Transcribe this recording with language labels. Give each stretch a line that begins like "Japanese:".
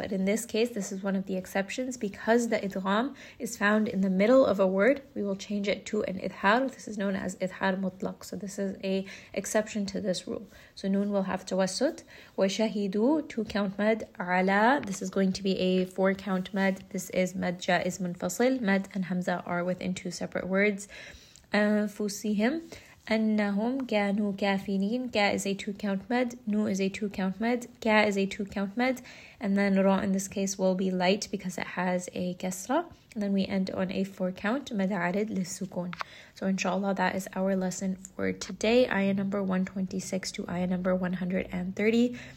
English: But in this case, this is one of the exceptions. Because the idgham is found in the middle of a word, we will change it to an idhar. This is known as idhar mutlaq. So this is a exception to this rule. So noon will have tawassut. وشهدوا two count mad على. This is going to be a four count mad. This is mad جائز منفصل. Mad and hamza are within two separate words.
Arabic: أنفسهم أنهم كانوا كافرين.
English: كا is a two count mad. نو is a two count mad. كا is a two count mad. And then را in this case will be light because it has a كسرة. And then we end on a four count مد عدد للسكون. So inshallah, that is our lesson for today. Ayah number 126 to ayah number 130.